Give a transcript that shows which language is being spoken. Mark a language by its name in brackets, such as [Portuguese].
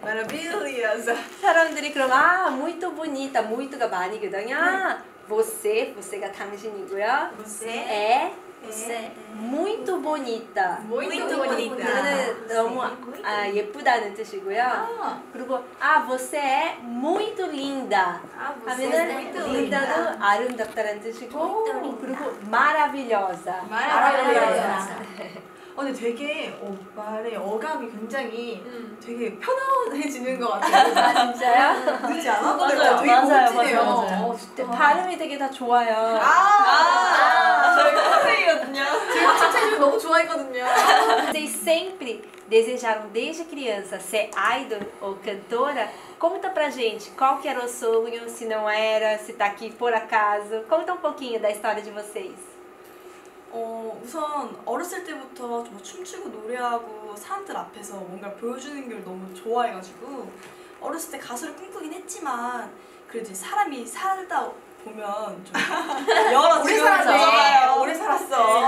[Portuguese] 마라빌리오사. [Korean] 사람들이 그럼 아, [Portuguese] muito bonita. [Korean] muito가 많이거든요. [Portuguese] você, você [Korean] 가 당신이고요. [Portuguese] você. 에. Muito bonita. Muito bonita. [Korean] 그거는 너무 예쁘다는 뜻이고요. 그리고 아, [Portuguese] você é muito linda. [Korean] 하면은 linda도 아름답다는 뜻이고 그리고 maravilhosa. [Portuguese] Maravilhosa. [Korean] 근데 되게 말의 어감이 굉장히 되게 편안해지는 것 같아요. 진짜요? 그렇지 않아? 맞아요, 맞아요, 되게 맞아요, 멋지네요. 맞아요, 맞아요. 발음이 되게 다 좋아요. 저희 선생이거든요. 제가 책을 너무 좋아했거든요. [English] They [Portuguese] sempre desejaram desde criança ser idol ou cantora. Conta pra gente qual que era o sonho, se não era, se tá aqui por acaso. Conta um pouquinho da história de vocês. [Korean] 우선 어렸을 때부터 정말 춤추고 노래하고 사람들 앞에서 뭔가 보여주는 걸 너무 좋아해가지고 어렸을 때 가수를 꿈꾸긴 했지만 그래도 사람이 살다 보면 좀 여러 오래 살았어.